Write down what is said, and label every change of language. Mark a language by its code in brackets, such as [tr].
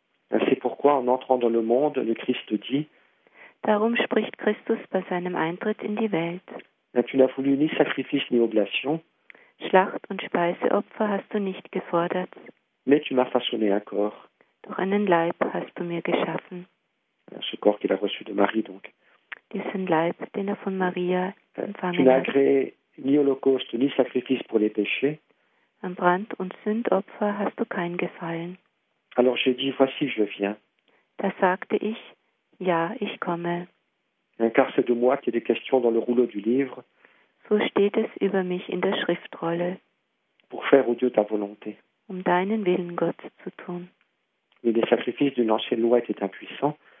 [fr] C'est pourquoi, en entrant dans le monde, le Christ dit. [de] Darum spricht Christus bei seinem Eintritt in die Welt. [fr] Tu n'as voulu ni sacrifice ni oblation. [de] Schlacht und Speiseopfer hast du nicht gefordert. [fr] Mais tu m'as façonné un corps. [de] Doch einen Leib hast du mir geschaffen. [fr] Ce corps qu'il a reçu de Marie, donc. [de] Diesen Leib, den er von Maria empfangen hat. [fr] Tu n'as agréé ni holocauste ni sacrifice pour les péchés. [de] Am Brand- und Sündopfer hast du kein Gefallen. [fr] Alors j'ai dit, voici, je viens. [de] Da sagte ich, ja, ich komme. [fr] Car c'est de moi qu'il y a des questions dans le rouleau du livre. [de] So steht es über mich in der Schriftrolle. [fr] Pour faire, ô Dieu, ta volonté. [de] Um deinen Willen, Gott, zu tun. [fr] Mais les sacrifices d'une ancienne loi étaient impuissants.